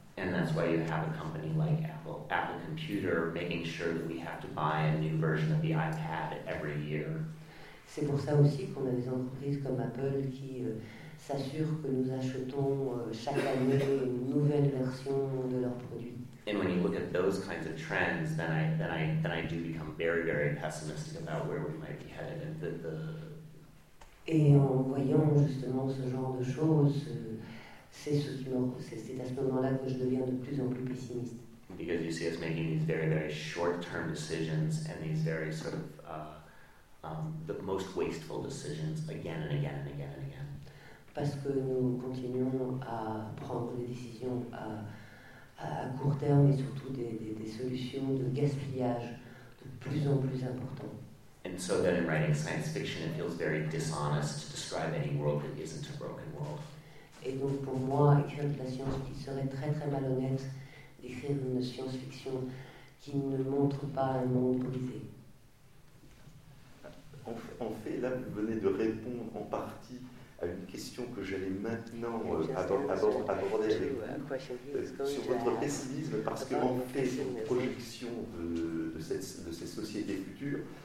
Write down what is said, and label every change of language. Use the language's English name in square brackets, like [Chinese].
[English] And that's why you have a company like Apple Computer making sure that we have to buy a new version of the iPad every year. [French] C'est pour ça aussi qu'on a des entreprises comme Apple qui s'assurent que nous achetons chaque année une nouvelle version de leurs produits. [English] And when you look at those kinds of trends, then I do become very, very pessimistic about where we might be headed. And the... [French] Et en voyant justement ce genre de choses, c'est à ce moment-là que je deviens de plus en plus pessimiste. [English] Because you see us making these very, very short-term decisions and these very sort of the most wasteful decisions again and again and again and again. [French] Parce que nous continuons à prendre des décisions à court terme et surtout des solutions de gaspillage de plus en plus importantes. [English] And so then in writing science fiction, it feels very dishonest to describe any world that isn't a broken world. [French] Et donc pour moi, écrire de la science, il serait très très malhonnête d'écrire une science-fiction qui ne montre pas un monde brisé. En fait, là, vous venez de répondre en partie à une question que j'allais maintenant aborder avec vous sur votre pessimisme, parce qu'en fait, vos projections de ces sociétés futures